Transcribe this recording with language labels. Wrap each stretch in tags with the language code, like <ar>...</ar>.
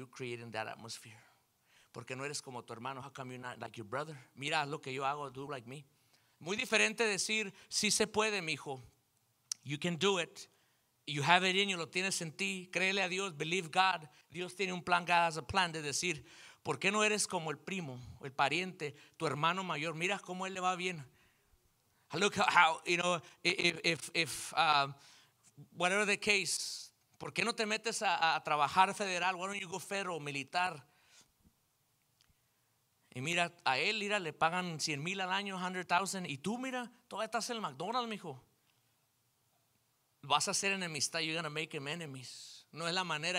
<en>You're creating that atmosphere.</en> <es>Porque no eres como tu hermano.</es> <en>How come you're not like your brother?</en> <es>Mira lo que yo hago.</es> <en>Do like me.</en> <es>Muy diferente decir, sí se puede, mijo.</es> <en>You can do it. You have it in you.</en> <es>Lo tienes en ti. Créele a Dios.</es> <en>Believe God.</en> <es>Dios tiene un plan.</es> <en>God has a plan.</en> <es>De decir, ¿por qué no eres como el primo, el pariente, tu hermano mayor? Mira cómo él le va bien.</es> <en>Look how you know if whatever the case.</en> <es>¿Por qué no te metes a trabajar federal?</es> <en>Why don't you go federal,</en> <es>militar? Y mira, a él, mira, le pagan 100,000 al año, 100,000. Y tú, mira, todavía estás en el McDonald's, mijo. Vas a hacer enemistad.</es> <en>You're gonna make him enemies.</en> <es>No es la manera.</es>